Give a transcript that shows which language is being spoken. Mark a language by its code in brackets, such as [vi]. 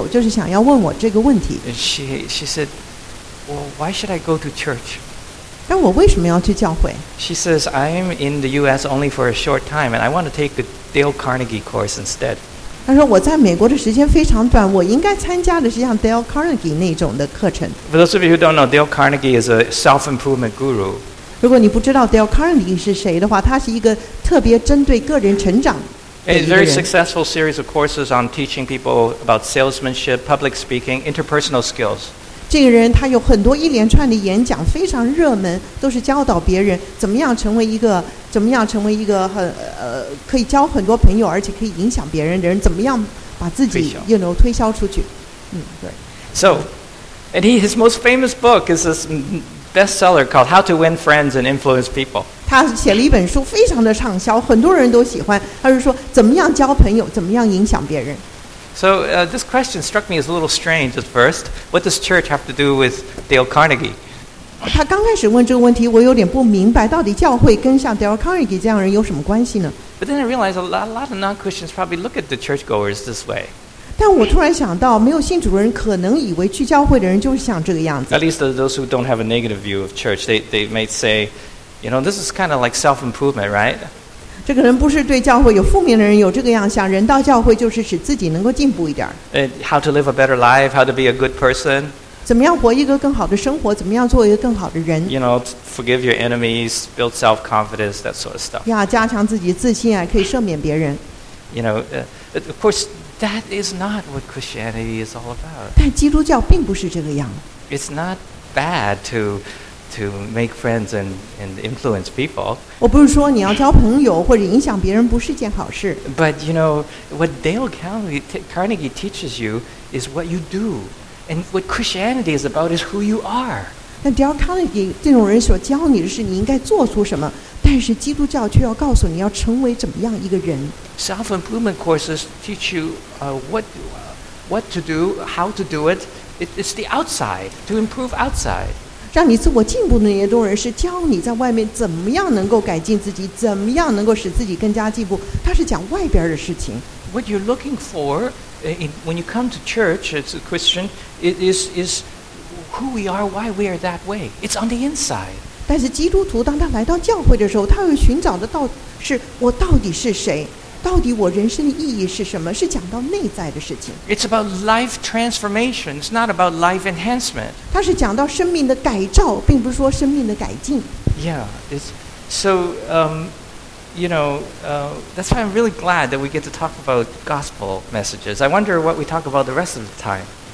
[zh] 到最后，有一个女士在那边等了很久，就是想要问我这个问题。She [en] said, "Well, why should I go to church?" [zh] 但我为什么要去教会? [en] She says, I'm in the U.S. only for a short time, and I want to take the Dale Carnegie course instead. [zh] 她说我在美国的时间非常短，我应该参加的是像 Dale Carnegie 那种的课程。 [en] For those of you who don't know, Dale Carnegie is a self-improvement guru. [zh] 如果你不知道 Dale Carnegie 是谁的话，他是一个特别针对个人成长的一个人。 [en] It's a very successful series of courses on teaching people about salesmanship, public speaking, interpersonal skills. [zh] 这个人他有很多一连串的演讲，非常热门，都是教导别人怎么样成为一个很可以交很多朋友而且可以影响别人的人，怎么样把自己又能推销出去。嗯，对。 [en] So, and he, his most famous book is this bestseller called How to Win Friends and Influence People. [zh] 他写了一本书，非常的畅销，很多人都喜欢。他是说怎么样交朋友，怎么样影响别人。 [en] So, this question struck me as a little strange at first. What does church have to do with Dale Carnegie? [zh] 他刚开始问这个问题，我有点不明白，到底教会跟像 Dale Carnegie 这样人有什么关系呢？ [en] But then I realized a lot of non-Christians probably look at the churchgoers this way. [zh] 但我突然想到，没有信主的人可能以为去教会的人就是像这个样子。 [en] At least those who don't have a negative view of church, they may say, you know, this is kind of like self-improvement, right? [zh] 这个人不是对教会有负面的人有这个样想，人到教会就是使自己能够进步一点。 [en] How to live a better life, how to be a good person. [zh] 怎么样活一个更好的生活，怎么样做一个更好的人。 [en] You know, forgive your enemies, build self-confidence, that sort of stuff. [zh] 要加强自己自信啊，可以赦免别人。 [en] You know, of course, that is not what Christianity is all about. [zh] 但基督教并不是这个样。 [en] It's not bad to make friends and influence people. [zh] 我不是说你要交朋友或者影响别人不是件好事。 [en] But you know, what Dale Carnegie teaches you is what you do. And what Christianity is about is who you are. [zh] 但 Dale Carnegie 这种人所教你的是你应该做出什么，但是基督教却要告诉你要成为怎么样一个人。 [en] Self-improvement courses teach you what to do, how to do it. It's the outside, to improve outside. [zh] 让你自我进步的那些东人是教你在外面怎么样能够改进自己，怎么样能够使自己更加进步，他是讲外边的事情。 [en] What you're looking for when you come to church as a Christian is who we are, why we are that way. It's on the inside. [zh] 但是基督徒当他来到教会的时候，他会寻找的到是我到底是谁，到底我人生的意义是什么，是讲到内在的事情。 [en] It's about life transformation, it's not about life enhancement. [zh] 它是讲到生命的改造，并不是说生命的改进。 [en] Yeah, it's so, you know, that's why I'm really glad that we get to talk about gospel messages. I wonder what we talk about the rest of the time.